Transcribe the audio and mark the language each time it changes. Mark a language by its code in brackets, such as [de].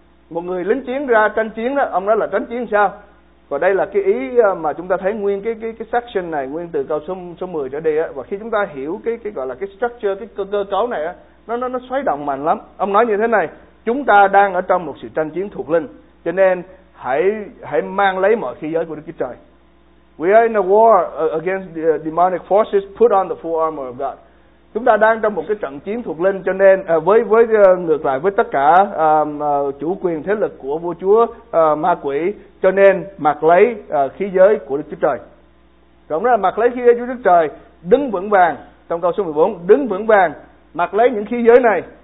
[vi] Một người lính chiến ra tranh chiến đó, ông nói là tranh chiến sao? Và đây là cái ý mà chúng ta thấy nguyên cái section này, nguyên từ câu số 10 trở đi á. Và khi chúng ta hiểu cái gọi là cái structure, cái cơ cấu này á, nó xoáy động mạnh lắm. Ông nói như thế này: chúng ta đang ở trong một sự tranh chiến thuộc linh, cho nên hãy mang lấy mọi khí giới của Đức Chúa Trời. [en] We are in a war against the demonic forces, put on the full armor of God. [vi] Chúng ta đang trong một cái trận chiến thuộc linh, cho nên ngược lại với tất cả chủ quyền thế lực của vua chúa ma quỷ, cho nên mặc lấy khí giới của Đức Chúa Trời. Rộng ra là mặc lấy khí giới của Đức Trời, đứng vững vàng, trong câu số 14, đứng vững vàng, mặc lấy những khí giới này.